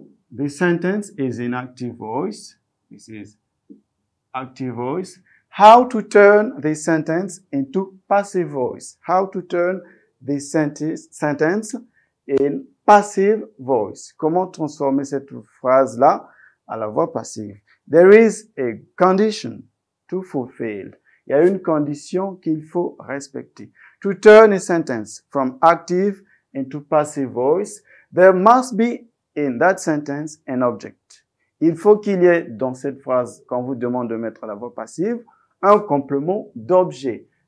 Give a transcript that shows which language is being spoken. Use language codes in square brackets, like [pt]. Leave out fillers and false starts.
[en] The sentence is in active voice. This is active voice. How to turn this sentence into passive voice? How to turn this sentence in passive voice? [fr] Comment transformer cette phrase-là à la voix passive? [en] There is a condition to fulfill. [fr] Il y a une condition qu'il faut respecter. [en] To turn a sentence from active into passive voice, there must be in that sentence an object. [fr] Il faut qu'il y ait dans cette phrase, quand on vous demande de mettre la voix passive, un complément d'objet.